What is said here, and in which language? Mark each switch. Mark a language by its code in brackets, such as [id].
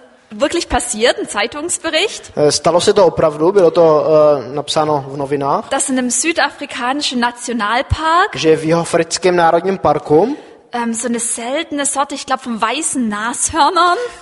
[de] Wirklich passiert, ein Zeitungsbericht. [cs] Stalo se to opravdu, bylo to napsáno v novinách. [de] Dass in einem südafrikanischen Nationalpark. [cs] Že v jihoafrickém národním parku. [de] So eine seltene Sorte, ich glaube von weißen Nashörnern.